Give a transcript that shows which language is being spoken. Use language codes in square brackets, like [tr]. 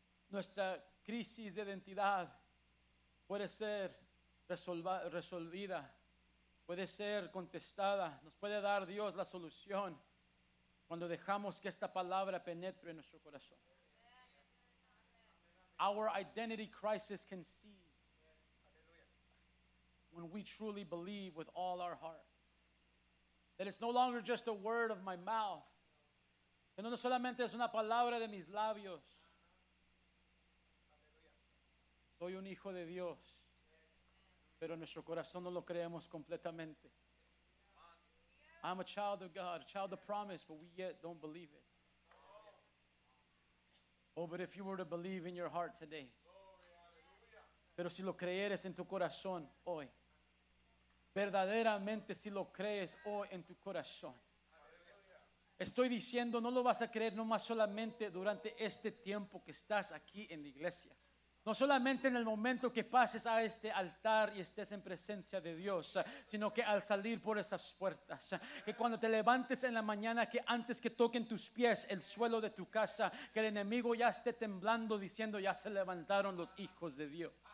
[es] Nuestra crisis de identidad puede ser resolvida, puede ser contestada, nos puede dar Dios la solución cuando dejamos que esta palabra penetre en nuestro corazón. [en] Our identity crisis can cease when we truly believe with all our heart. That it's no longer just a word of my mouth. [es] Que no solamente es una palabra de mis labios. Soy un hijo de Dios. Pero nuestro corazón no lo creemos completamente. [en] I'm a child of God, a child of promise, but we yet don't believe it. Oh, but if you were to believe in your heart today. [es] Pero si lo creyeres en tu corazón hoy. Verdaderamente si lo crees hoy en tu corazón. Estoy diciendo, no lo vas a creer nomás solamente durante este tiempo que estás aquí en la iglesia. No solamente en el momento que pases a este altar y estés en presencia de Dios, sino que al salir por esas puertas, que cuando te levantes en la mañana, que antes que toquen tus pies el suelo de tu casa, que el enemigo ya esté temblando diciendo, ya se levantaron los hijos de Dios.